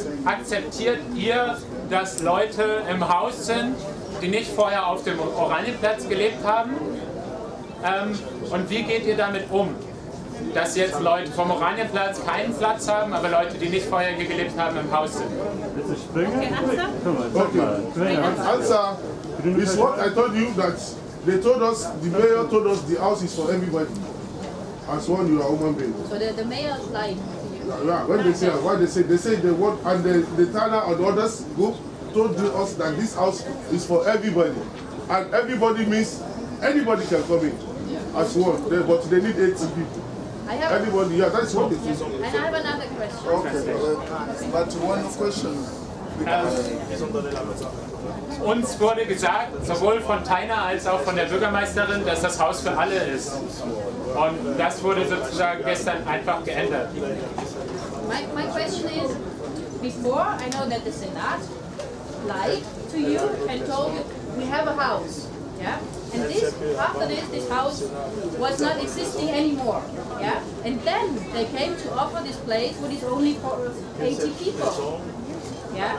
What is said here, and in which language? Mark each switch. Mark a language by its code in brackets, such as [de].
[de] Akzeptiert ihr, dass Leute im Haus sind, die nicht vorher auf dem Oranienplatz gelebt haben? Und wie geht ihr damit um, dass jetzt Leute vom Oranienplatz keinen Platz haben, aber Leute, die nicht vorher hier gelebt haben, im Haus sind? [en] Answer is what I told you, that they told us, the mayor told us the house is for everybody. As one, you are a woman being. So the mayor's lying to you? Yeah, when they say, what they say the word, and the Tana and others group told us that this house is for everybody. And everybody means anybody can come in as one, but they need 80 people. Everybody, yeah, that's what it is. And I have another question. Okay, but one question. [de] Uns wurde gesagt, sowohl von Taina als auch von der Bürgermeisterin, dass das Haus für alle ist. Und das wurde sozusagen gestern einfach geändert. [en] My question is, before I know that the Senat lied to you and told you, we have a house, yeah? And this, after this, this house was not existing anymore, yeah? And then they came to offer this place, which is only for 80 people, yeah?